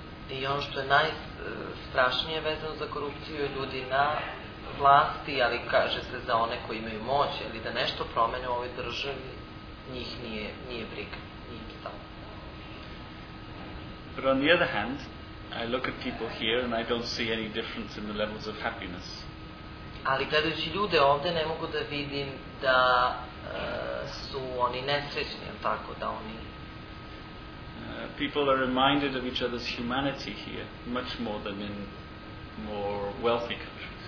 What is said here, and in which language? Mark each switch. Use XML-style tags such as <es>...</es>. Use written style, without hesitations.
<sr>I ono što je najstrašnije vezano za korupciju je ljudi na vlasti, ali kaže se za one koji imaju moć, ali da nešto promene u ovoj državi, njih nije briga.</sr> <en>But on the other hand, I look at people here and I don't see any difference in the levels of happiness.</en> <sr>Ali gledajući ljude ovde ne mogu da vidim da su oni nesrećni, tako da oni</sr> <en>people are reminded of each other's humanity here much more than in more wealthy countries.</en>